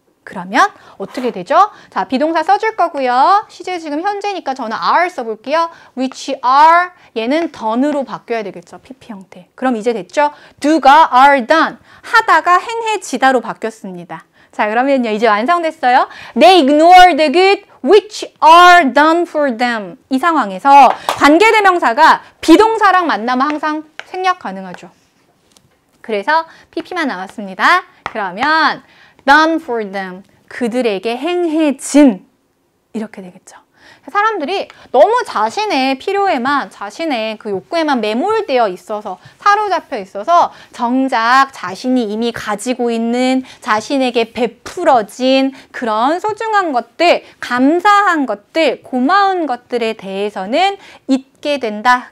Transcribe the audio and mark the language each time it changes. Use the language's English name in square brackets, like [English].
[Korean] 그러면 어떻게 되죠? 자, 비동사 써줄 거고요. 시제 지금 현재니까 저는 are 써볼게요. [English] Which are, [Korean] 얘는 done으로 바뀌어야 되겠죠. PP 형태. 그럼 이제 됐죠? [English] Do가 are done. [Korean] 하다가 행해지다로 바뀌었습니다. 자, 그러면요. 이제 완성됐어요. [English] They ignore the good which are done for them. [Korean] 이 상황에서 관계대명사가 비동사랑 만나면 항상 생략 가능하죠. 그래서 PP만 나왔습니다. 그러면 [English] done for them. [Korean] 그들에게 행해진. 이렇게 되겠죠. 사람들이 너무 자신의 필요에만, 자신의 그 욕구에만 매몰되어 있어서, 사로잡혀 있어서, 정작 자신이 이미 가지고 있는, 자신에게 베풀어진 그런 소중한 것들, 감사한 것들, 고마운 것들에 대해서는 잊게 된다.